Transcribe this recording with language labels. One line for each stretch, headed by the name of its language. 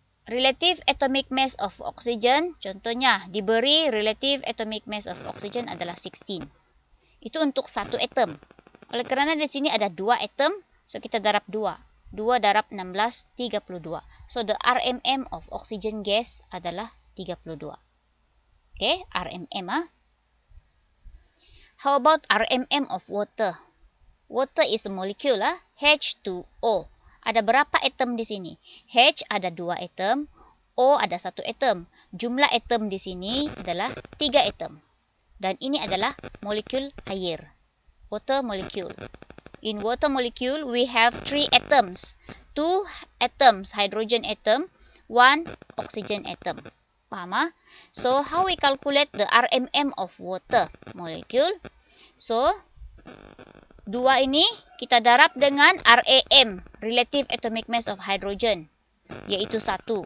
Malay: Relative atomic mass of oxygen, contohnya, diberi relative atomic mass of oxygen adalah 16. Itu untuk satu atom. Oleh kerana di sini ada dua atom, so kita darab 2. 2 darab 16, 32.
English: So, the RMM of oxygen gas
Malay: adalah
English: 32. Okay, RMM ah. How about RMM of water? Water is a molecule ah, H2O.
Malay: ada berapa atom di sini? H ada 2 atom, O ada 1 atom. Jumlah atom di sini adalah 3 atom. Dan ini adalah molekul air.
English: Water molecule. In water molecule, we have 3 atoms. 2 atoms, hydrogen atom. 1 oxygen atom.
Malay: Paham?
English: So, how we calculate the RMM of water molecule?
Malay: So, 2 ini kita darab dengan RAM, relative atomic mass of hydrogen, yaitu 1.